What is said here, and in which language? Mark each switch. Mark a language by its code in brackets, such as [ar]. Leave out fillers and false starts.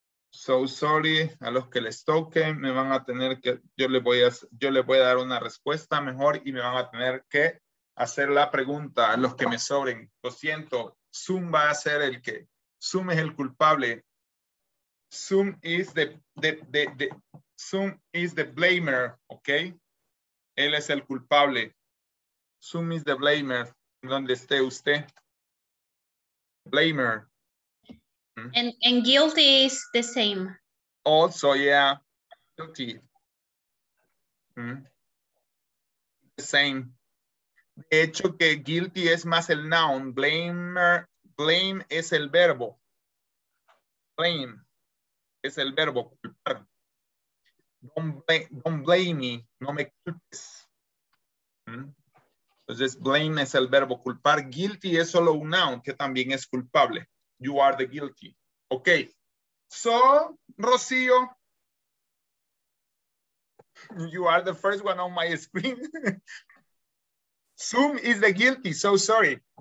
[en] So sorry, [es] a los que les toque, me van a tener que, yo les voy a dar una respuesta mejor y me van a tener que hacer la pregunta a los que me sobren. Lo siento, Zoom va a ser el que, Zoom es el culpable. [en] Zoom is the Zoom is the blamer, ok? [es] Él es el culpable. [en] Zoom is the blamer, [es] donde esté usted. Blamer. [en] And guilty is the same. Also, yeah, guilty. The same. [es] De hecho, que guilty es más el noun. Blame es el verbo. Blame es el verbo. Culpar. [en] Don't blame me. [es] No me culpes. Entonces, blame es el verbo. Culpar. Guilty es solo un noun que también es culpable. [en] You are the guilty. Okay, so Rocio, you are the first one on my screen. Zoom is the guilty, so sorry.